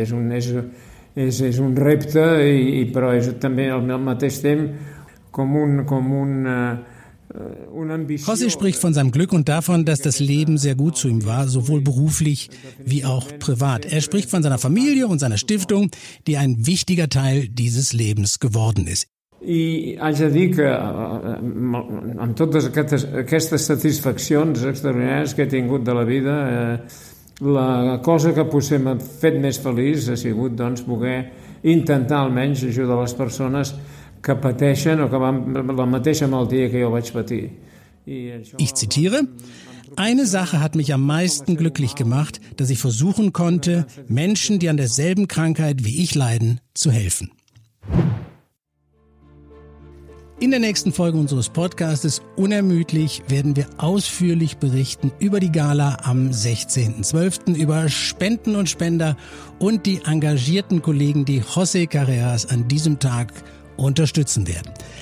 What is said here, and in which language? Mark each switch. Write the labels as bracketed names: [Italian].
[Catalan] És un repte, però és també al mateix temps [German] José spricht von seinem Glück und davon, dass das Leben sehr gut zu ihm war, sowohl beruflich wie auch privat. Er spricht von seiner Familie und seiner Stiftung, die ein wichtiger Teil dieses Lebens geworden ist. [Catalan] I haig de dir que amb totes aquestes satisfaccions extraordinàries que he tingut de la vida, la cosa que potser m'ha fet més feliç ha sigut doncs poder intentar almenys ajudar les persones que pateixen o que van la mateixa malaltia que jo vaig patir. [German] Ich zitiere: Eine Sache hat mich am meisten glücklich gemacht, dass ich versuchen konnte, Menschen, die an derselben Krankheit wie ich leiden, zu helfen. In der nächsten Folge unseres Podcastes Unermüdlich werden wir ausführlich berichten über die Gala am 16.12., über Spenden und Spender und die engagierten Kollegen, die José Carreras an diesem Tag unterstützen werden.